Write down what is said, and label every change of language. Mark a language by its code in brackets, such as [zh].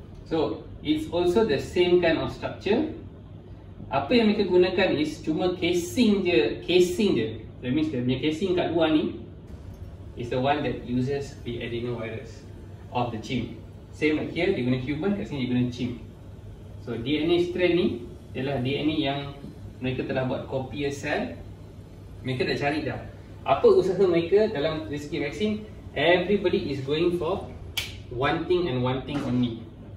[en] So it's also the same kind of structure. [ms] Apa yang mereka gunakan [en] is [ms] cuma casing je, casing je. [en] That means the casing [ms] kat luar ni [en] is the one that uses the adenovirus of the chimp. Same like here, [ms] dia guna human, kat sini dia guna chimp. So DNA strand ni ialah DNA yang mereka telah buat copy a cell. Mereka dah cari dah. Apa usaha mereka dalam risiko vaksin? [en] Everybody is going for one thing and one thing only.